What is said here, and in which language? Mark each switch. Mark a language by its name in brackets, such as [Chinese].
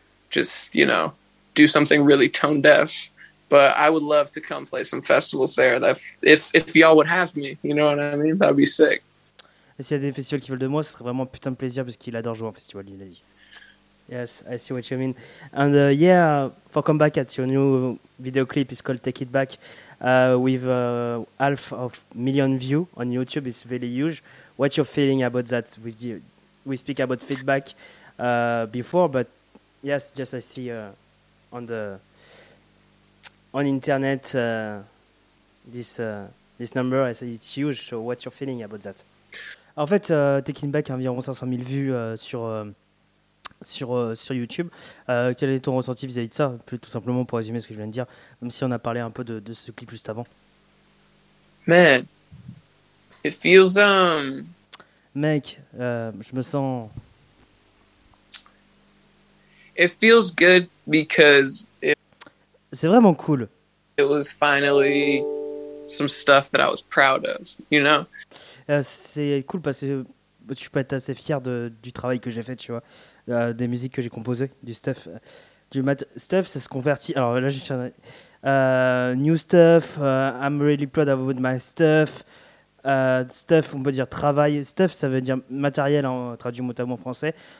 [English] Just, you know, do something really tone deaf. But I would love to come play some festivals there. If y'all would have me, you know what I mean? That'd be sick. [French] Et s'il y a des festivals qui veulent de moi, ce serait vraiment un putain de plaisir parce qu'il adore jouer en festival, il a dit. [English] Yes, I see what you mean. And yeah, for come back at your new video clip, it's called Take It Back, with half of million views on YouTube, it's really huge. What's your feeling about that? We speak about feedback before, but yes, just I see on internet this number, I say it's huge, so what's your feeling about that? [French] En fait, Taking Back a environ 500 000 vues sur YouTube. Quel est ton ressenti vis-à-vis de ça? Tout simplement pour résumer ce que je viens de dire, même si on a parlé un peu de ce clip juste avant. [English] Man, it feels. [French] Mec, je me sens. [English] It feels good because [French] c'est vraiment cool. [English] It was finally some stuff that I was proud of, you know. [French] C'est cool parce que je peux être assez fier de du travail que j'ai fait, tu vois, des musiques que j'ai composées, du stuff, du mat stuff, ça se convertit. Alors là, je fais [English] new stuff. I'm really proud of my stuff. [French] Stuff, on peut dire travail. Stuff, ça veut dire matériel en traduit mot à mot français.